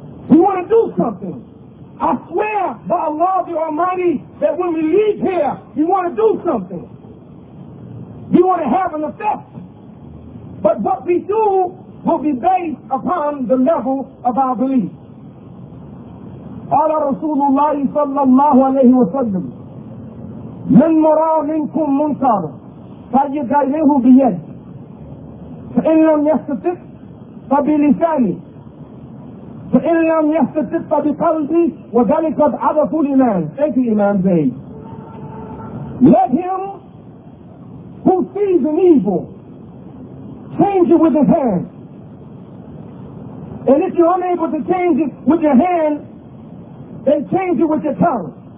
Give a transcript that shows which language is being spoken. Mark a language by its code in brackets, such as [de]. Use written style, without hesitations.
[en] We want to do something. I swear by Allah the Almighty that when we leave here, you want to do something. You want to have an effect. But what we do will be based upon the level of our belief. [ar] قال رسول الله صلى الله عليه وسلم من مرى منكم منكرا فليغيره بيده فإن لم يستطع فبلسانه فإن لم يستطع فبقلبه وذلك عرف الإيمان. [en] Thank you, Imam Zayd. Let him who sees an evil change it with his hand. And if you're unable to change it with your hand, then change it with your tongue.